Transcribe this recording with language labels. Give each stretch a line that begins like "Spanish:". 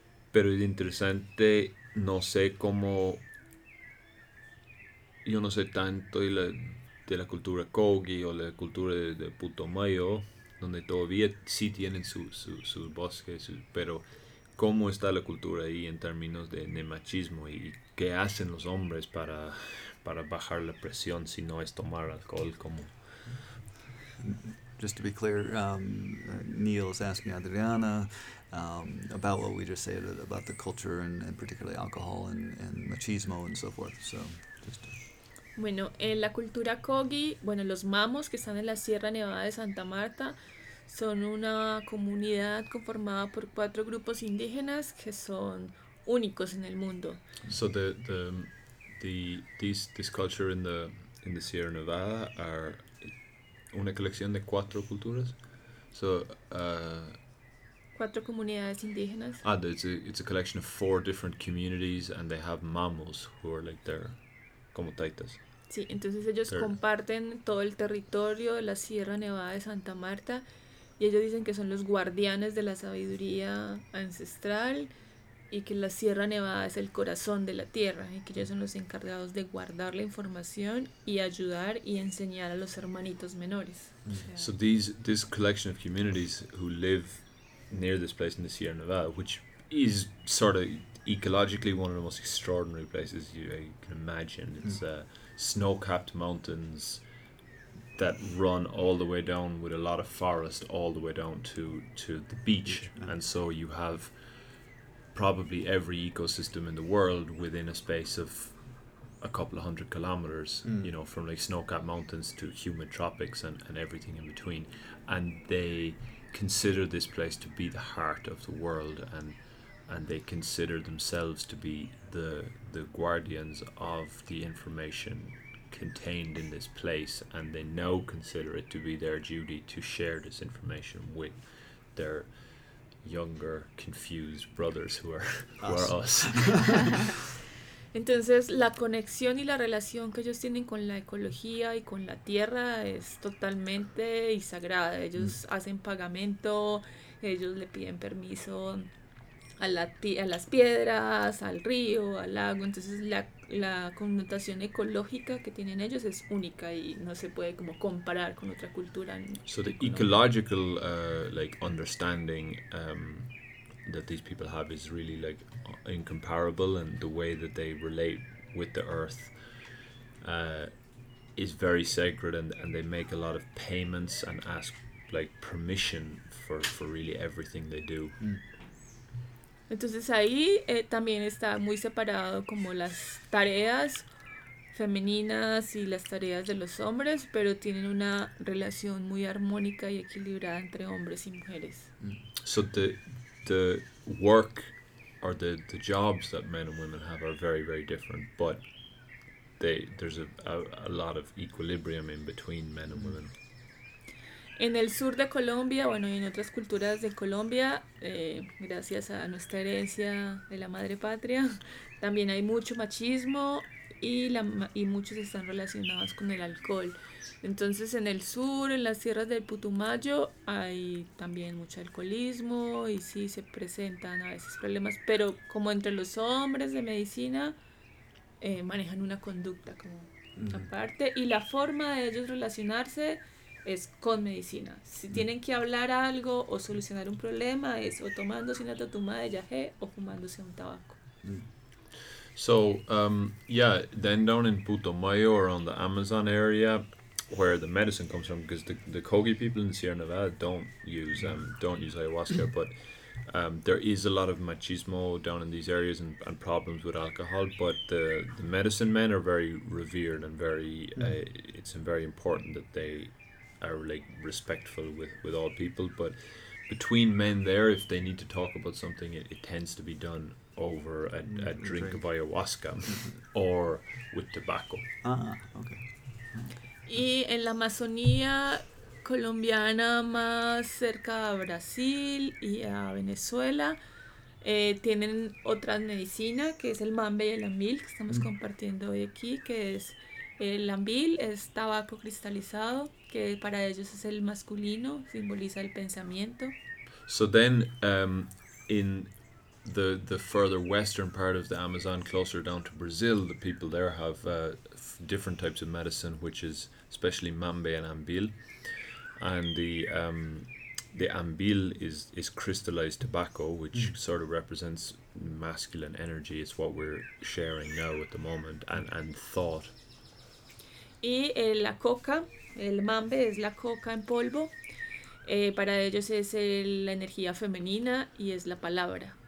Spanish: Pero es interesante, no sé cómo, yo no sé tanto de la cultura Kogi o la cultura de Putumayo, donde todavía sí tienen sus bosques, pero ¿cómo está la cultura ahí en términos de machismo? ¿Y qué hacen los hombres para bajar la presión si no es tomar alcohol? ¿Cómo?
English: Just to be clear, Neil is asking Adriana about what we just said about the culture and particularly alcohol and machismo and so forth. So, just
Spanish: bueno, en la cultura Kogi, bueno, los mamos que están en la Sierra Nevada de Santa Marta son una comunidad conformada por cuatro grupos indígenas que son únicos en el mundo.
English: So this culture in the Sierra Nevada are
Spanish: una colección de cuatro culturas.
English: So
Spanish: cuatro comunidades indígenas.
English: Ah, it's a collection of four different communities and they have mamos who are like their
Spanish: como taitas. Sí, entonces ellos comparten todo el territorio de la Sierra Nevada de Santa Marta y ellos dicen que son los guardianes de la sabiduría ancestral y que la Sierra Nevada es el corazón de la tierra y que ellos son los encargados de guardar la información y ayudar y enseñar a los hermanitos menores. Mm-hmm. O sea,
English: so this collection of communities who live near this place in the Sierra Nevada, which is sort of ecologically one of the most extraordinary places you can imagine. It's a snow-capped mountains that run all the way down with a lot of forest all the way down to the beach. And so you have probably every ecosystem in the world within a space of a couple of hundred kilometers, you know, from like snow-capped mountains to humid tropics and everything in between. And they consider this place to be the heart of the world, and they consider themselves to be the guardians of the information contained in this place, and they now consider it to be their duty to share this information with their younger, confused brothers who are us.
Spanish: Entonces, la conexión y la relación que ellos tienen con la ecología y con la tierra es totalmente y sagrada. Ellos hacen pagamento, ellos le piden permiso a la a las piedras, al río, al lago. Entonces la connotación ecológica que tienen ellos es única y no se puede como comparar con otra cultura.
English: So the ecological like understanding that these people have is really like incomparable, and the way that they relate with the earth is very sacred, and they make a lot of payments and ask like permission for really everything they do.
Spanish: Entonces ahí también está muy separado como las tareas femeninas y las tareas de los hombres, pero tienen una relación muy armónica y equilibrada entre hombres y mujeres.
English: So the work or the jobs that men and women have are very, very different, but there's a lot of equilibrium in between men and women.
Spanish: En el sur de Colombia, bueno, y en otras culturas de Colombia, gracias a nuestra herencia de la madre patria, también hay mucho machismo y muchos están relacionados con el alcohol. Entonces, en el sur, en las tierras del Putumayo, hay también mucho alcoholismo y sí se presentan a veces problemas, pero como entre los hombres de medicina, manejan una conducta como aparte. Y la forma de ellos relacionarse es con medicina. Si tienen que hablar algo o solucionar un problema, es o tomándose una totuma de yajé o fumándose un tabaco.
English: So, yeah, then down in Putumayo, around the Amazon area, where the medicine comes from, because the Kogi people in Sierra Nevada don't use ayahuasca, but there is a lot of machismo down in these areas and problems with alcohol, but the medicine men are very revered and very it's very important that they are like respectful with all people. But between men there, if they need to talk about something, it tends to be done over a drink of ayahuasca or with tobacco.
Spanish: Y en la Amazonía colombiana, más cerca a Brasil y a Venezuela, tienen otra medicina, que es el mambe y el ambil, que estamos compartiendo hoy aquí, que es el ambil, es tabaco cristalizado, que para ellos es el masculino, simboliza el pensamiento.
English: So then, in the further western part of the Amazon, closer down to Brazil, the people there have different types of medicine, which is especially mambe and ambil, and the ambil is crystallized tobacco, which sort of represents masculine energy. It's what we're sharing now at the moment, and thought.
Spanish: Y la coca, el mambe es la coca en polvo. Para ellos es la energía femenina y es la palabra.